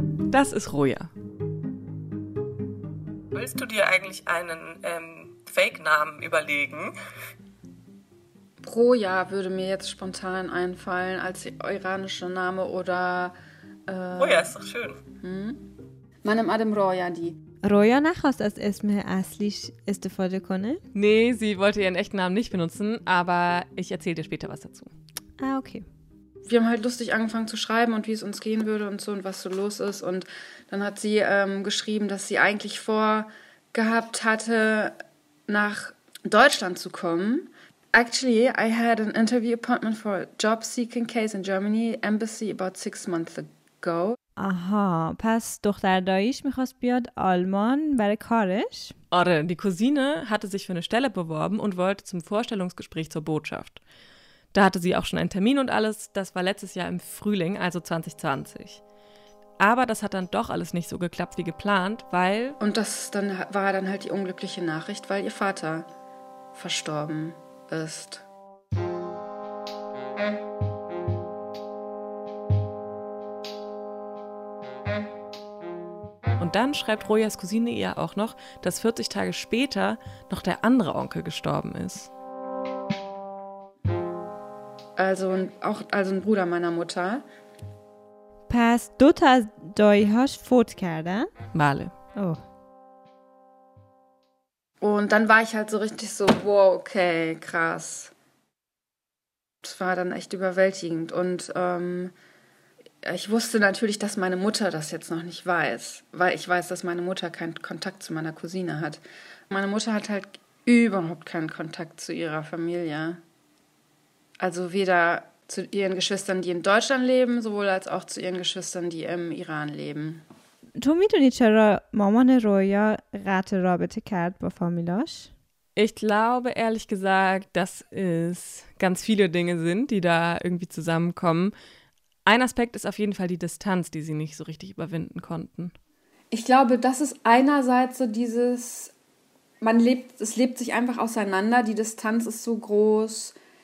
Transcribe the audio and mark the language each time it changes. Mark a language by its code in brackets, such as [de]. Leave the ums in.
[de] Das ist Roja. Willst du dir eigentlich einen ähm, Fake-Namen überlegen? Roja würde mir jetzt spontan einfallen als iranischer Name oder. Äh, Roja ist doch schön. Hm? [fa] منم ادم رویا دی رویا نخواست از اسم اصلیش استفاده کنه [de] Nee, sie wollte ihren echten Namen nicht benutzen, aber ich erzähle dir später was dazu. Ah, okay. Wir haben halt lustig angefangen zu schreiben und wie es uns gehen würde und so und was so los ist. Und dann hat sie ähm, geschrieben, dass sie eigentlich vorgehabt hatte, nach Deutschland zu kommen. [en] Actually, I had an interview appointment for a job-seeking case in Germany, embassy about six months ago. [fa] آها پس دختر داییش میخواست بیاد آلمان برای کارش [de] Orre, die Cousine hatte sich für eine Stelle beworben und wollte zum Vorstellungsgespräch zur Botschaft. Da hatte sie auch schon einen Termin und alles, das war letztes Jahr im Frühling, also 2020. Aber das hat dann doch alles nicht so geklappt wie geplant, weil Und das dann war dann halt die unglückliche Nachricht, weil ihr Vater verstorben ist. Und dann schreibt Rojas Cousine ihr auch noch, dass 40 Tage später noch der andere Onkel gestorben ist. Also ein- auch also ein Bruder meiner Mutter. [fa] پس دو تا از داییهاش فوت کردن Male. اوه [de] Und dann war ich halt so richtig so, wow, okay, krass. Das war dann echt überwältigend. Und ähm, ich wusste natürlich, dass meine Mutter das jetzt noch nicht weiß, weil ich weiß, dass meine Mutter keinen Kontakt zu meiner Cousine hat. Meine Mutter hat halt überhaupt keinen Kontakt zu ihrer Familie. Also weder zu ihren Geschwistern, die in Deutschland leben, sowohl als auch zu ihren Geschwistern, die im Iran leben. [fa] تو میدونی چرا مامان رویا قطع رابطه کرد با فامیلاش [de] Ich glaube ehrlich gesagt, dass es ganz viele Dinge sind, die da irgendwie zusammenkommen. Ein Aspekt ist auf jeden Fall die Distanz, die sie nicht so richtig überwinden konnten. Ich glaube, das ist einerseits so dieses, man lebt, es lebt sich einfach auseinander, die Distanz ist so groß.